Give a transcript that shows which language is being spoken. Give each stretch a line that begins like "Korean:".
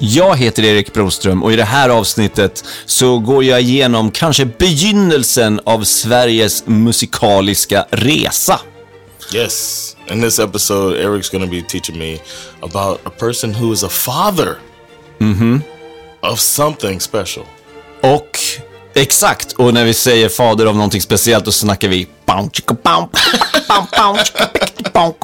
Swedish: Jag heter Erik Broström och i det här avsnittet så går jag igenom kanske begynnelsen av Sveriges musikaliska resa.
English: Yes, in this episode Erik's going to be teaching me about a person who is a father of something special.
Swedish: Och... Exakt, och när vi säger fader av någonting speciellt, då snackar vi bam chicka bam bam bam bam